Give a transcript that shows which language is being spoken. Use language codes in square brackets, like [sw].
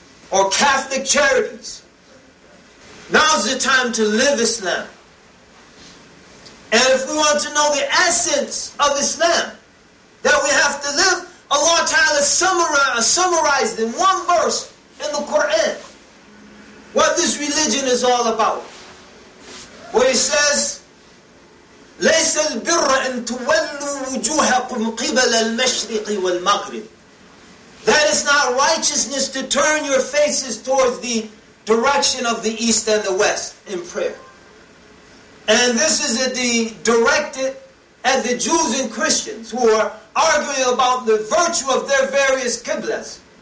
[en] Or Catholic charities. Now's the time to live Islam. And if we want to know the essence of Islam that we have to live, Allah Ta'ala summarized in one verse in the Quran what this religion is all about. Where He says, [ar] لَيْسَ الْبِرَّ أَن تُوَلُّوا وُجُوهَكُمْ قِبَلَ الْمَشْرِقِ وَالْمَغْرِبِ. [en] That is not righteousness to turn your faces towards the direction of the east and the west in prayer. And this is directed at the Jews and Christians who are arguing about the virtue of their various qiblas.